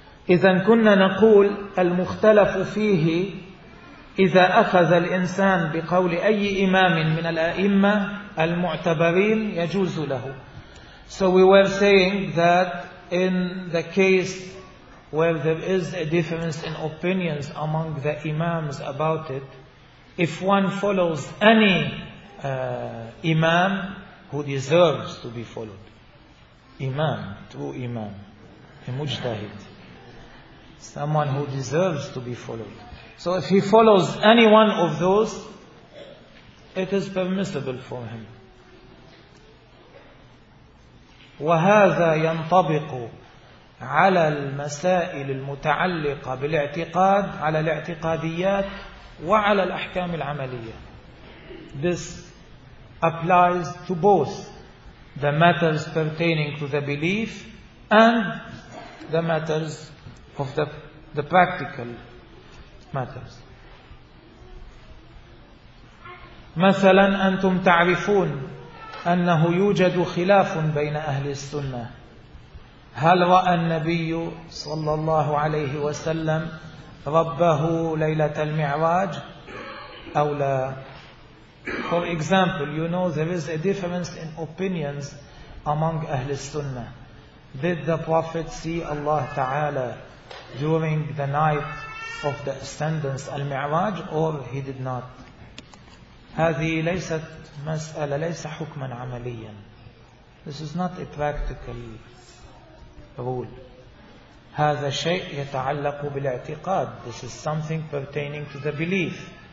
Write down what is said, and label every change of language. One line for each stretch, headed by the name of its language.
Arabic: إذا كنا نقول المختلف فيه إذا أخذ الإنسان بقول أي إمام من الأئمة المعتبرين يجوز له.
English: So we were saying that in the case where there is a difference in opinions among the imams about it, if one follows any imam who deserves to be followed, imam, true imam, a mujtahid, someone who deserves to be followed. So if he follows any one of those, it is permissible for him.
Arabic: وهذا ينطبق على المسائل المتعلقة بالاعتقاد على الاعتقاديات وعلى الأحكام العملية.
English: This applies to both the matters pertaining to the belief and the matters of the practical matters.
Arabic: مثلا أنتم تعرفون أنه يوجد خلاف بين أهل السنة. هل رأى النبي صلى الله عليه وسلم ربه ليلة المعراج أو لا؟
English: For example, you know there is a difference in opinions among Ahl al-Sunnah. Did the Prophet see Allah Ta'ala during the night of the ascendance al-Mi'raj or he did not?
Arabic: هذه ليست مسألة ليس حكما عمليا.
English: This is not a practical rule.
Arabic: هذا شيء يتعلق بالاعتقاد.
English: This is something pertaining to the belief.